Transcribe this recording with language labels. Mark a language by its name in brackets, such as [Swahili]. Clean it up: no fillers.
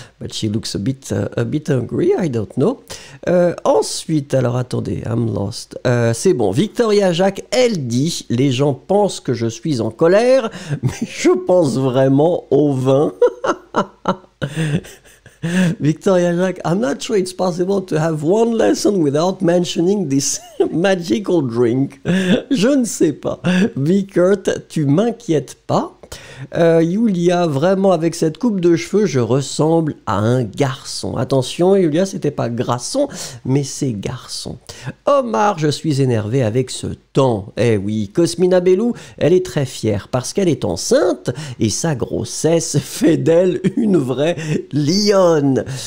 [English] But she looks a bit angry, I don't know. [French] Ensuite, alors attendez, [English] I'm lost. [French] C'est bon, Victoria Jacques, elle dit, les gens pensent que je suis en colère, mais je pense vraiment au vin. [English] Victoria Jacques, I'm not sure it's possible to have one lesson without mentioning this magical drink. [French] Je ne sais pas. Vickert, tu m'inquiètes pas. Julia, vraiment avec cette coupe de cheveux, je ressemble à un garçon. Attention, Julia, c'était pas garçon, mais c'est garçon. Omar, je suis énervé avec ce temps. Eh oui, Cosmina Bellou, elle est très fière parce qu'elle est enceinte et sa grossesse fait d'elle une vraie lionne.